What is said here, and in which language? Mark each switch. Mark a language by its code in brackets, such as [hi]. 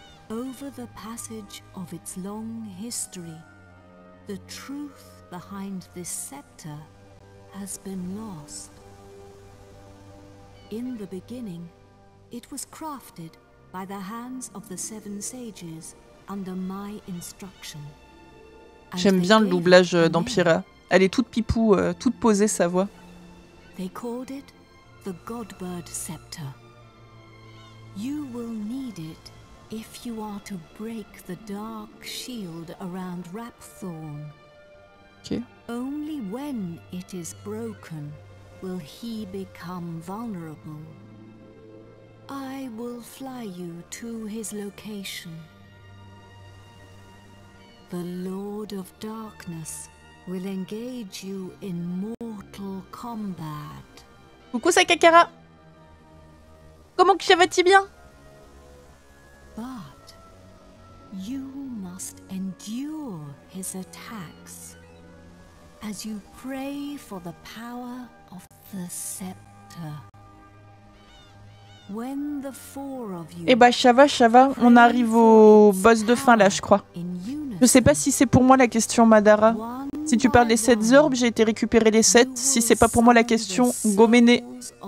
[en] Over the passage of its long history, the truth behind this scepter has been lost. In the beginning, it was crafted by the hands of the seven sages under my instruction. [fr] J'aime bien le doublage d'Empyrea. Elle est toute pipou, toute posée sa voix. [en] They called it the Godbird Scepter. You will need it if you are to break the dark shield around Rapthorn. Okay. Only when it is broken will he become vulnerable. I will fly you to his location. The Lord of Darkness will engage you in mortal combat. [fr] Coucou Sakakara. Comment que ça va-t-il bien? [en] But you must endure his attacks as you pray for the power of the scepter. When the four of you... [fr] Eh bah ça va, on arrive au boss de fin là, je crois. Je sais pas si c'est pour moi la question, Madara. Si tu parles des 7 orbes, j'ai été récupérer les 7. Si c'est pas pour moi la question, Gomene.